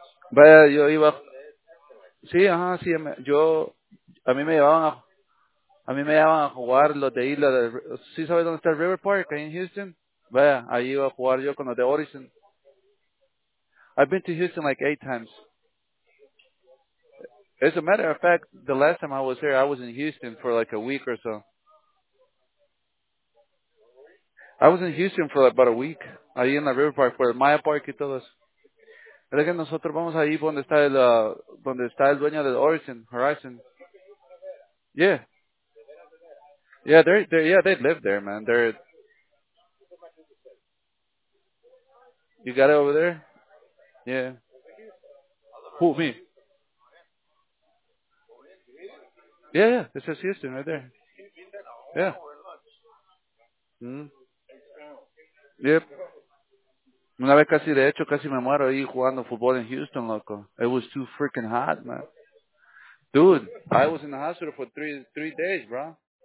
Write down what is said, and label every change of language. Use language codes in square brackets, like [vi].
[es] Vaya, yo iba... Sí, ajá, sí, yo... A mí me llevaban a jugar los de Isla de... ¿Sí sabes dónde está el River Park, ahí en Houston? Vaya, ahí iba a jugar yo con los de Orison. [en] I've been to Houston like 8 times. As a matter of fact, the last time I was there, I was in Houston for like a week or so. I was in Houston for about a week, [es] ahí en la River Park, por el Maya Park y todo eso. Es que nosotros vamos ahí donde está el dueño del Horizon. [en] Yeah. Yeah, they live there, man. They're... You got it over there? Yeah. Who, me? Yeah, it says Houston right there. Yeah. Hmm. Yep. [es] Una vez casi, de hecho, casi me muero ahí jugando fútbol en Houston, loco. [en] It was too freaking hot, man. Dude, I was in the hospital for three days, bro.